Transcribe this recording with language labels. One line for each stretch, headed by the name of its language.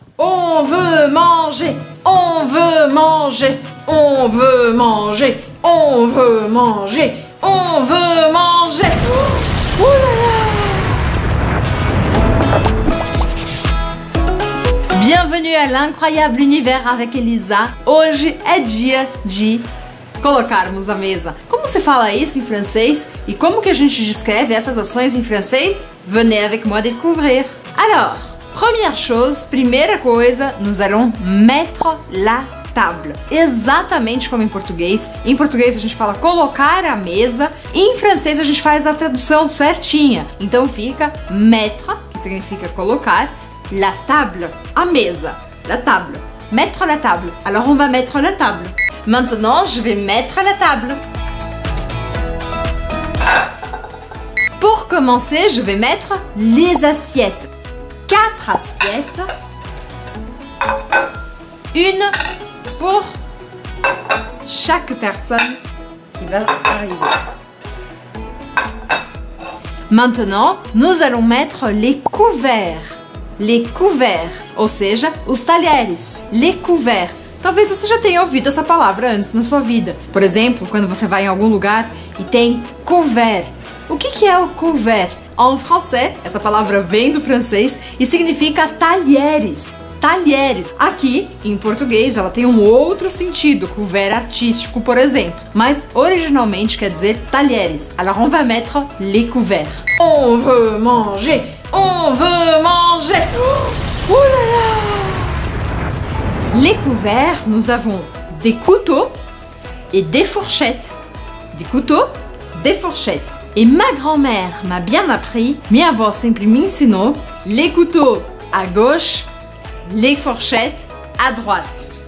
French: On veut manger, on veut manger, on veut manger, on veut manger, on veut manger. Ouh, ouh là là. Bienvenue à l'incroyable univers avec Elisa.
Portuguese: Hoje é dia de colocarmos a mesa. Como se fala isso em francês? E como que a gente descreve essas ações em francês?
French: Venez avec moi découvrir. Alors,
Portuguese: primeira coisa,
French: nous allons mettre la table.
Portuguese: Exatamente como em português. Em português a gente fala colocar a mesa. E em francês a gente faz a tradução certinha. Então fica mettre, que significa colocar, la table, a mesa.
French: La table. Mettre la table. Alors on va mettre la table. Maintenant, je vais mettre la table. Pour commencer, je vais mettre les assiettes. 4 assiettes. Une pour chaque personne qui va arriver. Maintenant, nous allons mettre les couverts. Les couverts,
Portuguese: ou seja, os talheres.
French: Les couverts.
Portuguese: Talvez você já tenha ouvido essa palavra antes na sua vida. Por exemplo, quando você vai em algum lugar e tem couvert. O que é o couvert?
French: En français,
Portuguese: essa palavra vem do francês e significa talheres. Talheres. Aqui, em português, ela tem um outro sentido, couvert artístico, por exemplo. Mas, originalmente, quer dizer talheres.
French: Alors, on va mettre les couverts. On veut manger, on veut manger. Oh là là! Les couverts, nous avons des couteaux et des fourchettes. Des couteaux, des fourchettes. Et ma grand-mère m'a bien appris,
Portuguese: minha avó sempre me ensinou,
French: les couteaux à gauche, les fourchettes à droite.